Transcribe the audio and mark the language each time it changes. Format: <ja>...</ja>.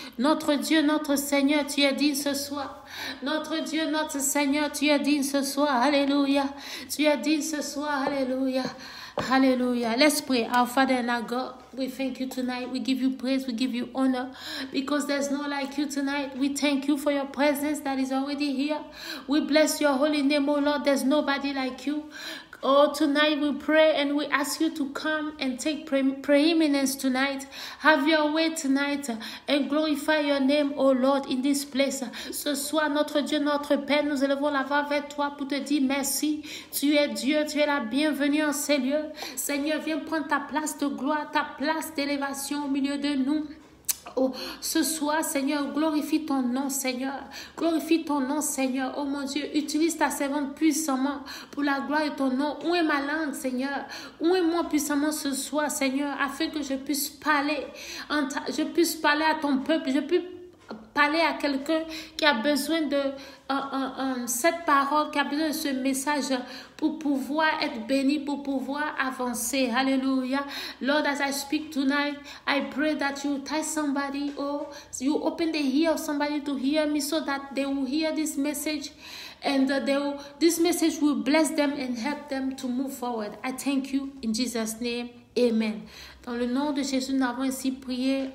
<fr>Notre Dieu, notre Seigneur, tu es digne ce soir. Notre Dieu, notre Seigneur, tu es digne ce soir. Alléluia, tu es digne ce soir. Alléluia, alléluia.</fr> <en>Let's pray. Our Father and our God, we thank you tonight. We give you praise, we give you honor, because there's no like you tonight. We thank you for your presence that is already here. We bless your holy name, oh Lord. There's nobody like you. Oh, tonight we pray and we ask you to come and take preeminence tonight. Have your way tonight and glorify your name, oh Lord, in this place.</en> <fr>Ce soir, notre Dieu, notre Père, nous élevons la voix vers toi pour te dire merci. Tu es Dieu, tu es la bienvenue en ces lieux. Seigneur, viens prendre ta place de gloire, ta place d'élévation au milieu de nous. Oh, ce soir, Seigneur, glorifie ton nom, Seigneur. Glorifie ton nom, Seigneur. Oh mon Dieu, utilise ta servante puissamment pour la gloire de ton nom. Où est ma langue, Seigneur? Où est moi puissamment ce soir, Seigneur, afin que je puisse parler. Je puisse parler à ton peuple. Je puisse parler à quelqu'un qui a besoin de cette parole, qui a besoin de ce message pour pouvoir être béni, pour pouvoir avancer. Alléluia.</fr> <en>Lord, as I speak tonight, I pray that you touch somebody, or you open the ear of somebody to hear me so that they will hear this message and this message will bless them and help them to move forward. I thank you in Jesus' name. Amen.</en> <fr>Dans le nom de Jésus, nous avons ainsi prié.</fr>